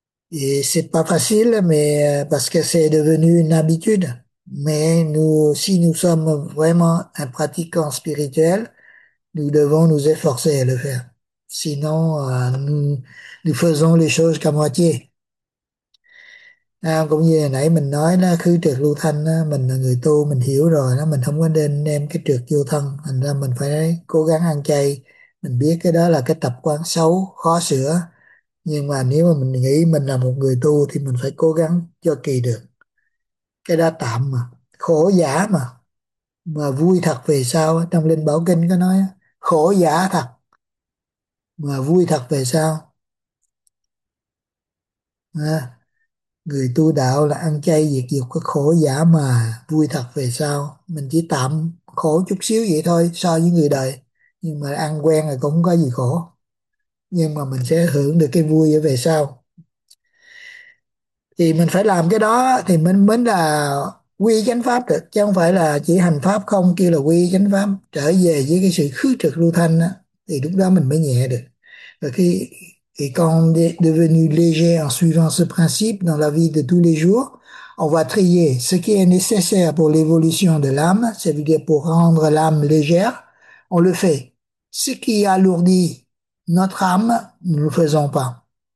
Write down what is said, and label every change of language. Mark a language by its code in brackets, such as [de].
[fr] Et c'est pas facile, mais parce que c'est devenu une habitude. Mais nous, si nous sommes vraiment un pratiquant spirituel, nous devons nous efforcer à le faire. Sinon, nous faisons les choses qu'à moitié. [vi] À, cũng như hồi nãy mình nói là khứ trượt lưu thanh đó, mình là người tu mình hiểu rồi đó, mình không có nên đem cái trượt vô thân, thành ra mình phải cố gắng ăn chay. Mình biết cái đó là cái tập quán xấu khó sửa, nhưng mà nếu mà mình nghĩ mình là một người tu thì mình phải cố gắng cho kỳ được. Cái đó tạm mà, khổ giả mà vui thật về sau, trong Linh Bảo Kinh có nói khổ giả thật mà vui thật về sau. À, người tu đạo là ăn chay diệt dục, có khổ giả mà vui thật về sau. Mình chỉ tạm khổ chút xíu vậy thôi so với người đời, nhưng mà ăn quen rồi cũng không có gì khổ, nhưng mà mình sẽ hưởng được cái vui ở về sau. Thì mình phải làm cái đó thì mình mới là quy chánh pháp được, chứ không phải là chỉ hành pháp không kêu là quy chánh pháp. Trở về với cái sự khứ trực lưu thanh đó, thì lúc đó mình mới nhẹ được. Và khi [fr] Et quand on est devenu léger en suivant ce principe dans la vie de tous les jours, on va trier ce qui est nécessaire pour l'évolution de l'âme, c'est-à-dire pour rendre l'âme légère, on le fait. Ce qui alourdit notre âme, nous ne le faisons pas.